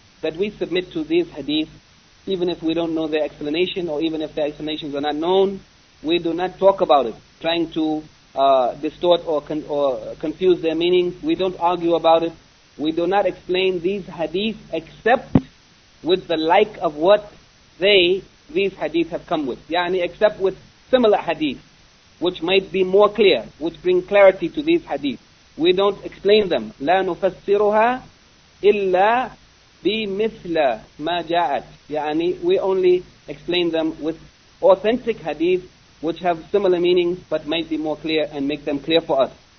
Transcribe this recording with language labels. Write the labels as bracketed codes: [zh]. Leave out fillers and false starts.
[en] That we submit to these hadith, even if we don't know their explanation, or even if their explanations are not known, we do not talk about it, trying to distort or confuse their meaning. We don't argue about it. We do not explain these hadith except with the like of what these hadith have come with. Yani, except with similar hadith, which might be more clear, which bring clarity to these hadith. We don't explain them. [ar] لا نفسرها إلا بمثل ما جاءت. [en] Yani, we only explain them with authentic hadith which have similar meanings but might be more clear, and make them clear for us.